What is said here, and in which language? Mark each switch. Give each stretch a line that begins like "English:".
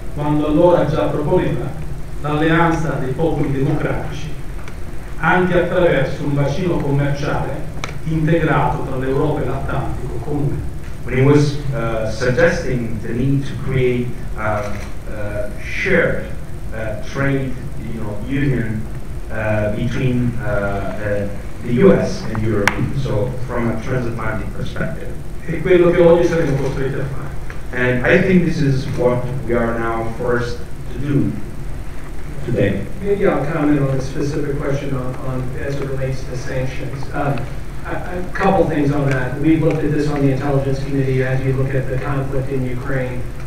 Italian: Quando allora già proponeva l'alleanza dei popoli democratici anche attraverso un bacino commerciale integrato tra l'Europa e l'Atlantico comune.
English: When he was suggesting the need to create a shared trade union between the US and Europe, so from a transatlantic perspective.
Italian: E quello che oggi saremo costretti a fare.
English: And I think this is what we are now forced to do today. Maybe I'll comment on a specific question on as it relates to sanctions. A couple things on that. We've looked at this on the Intelligence Committee as you look at the conflict in Ukraine.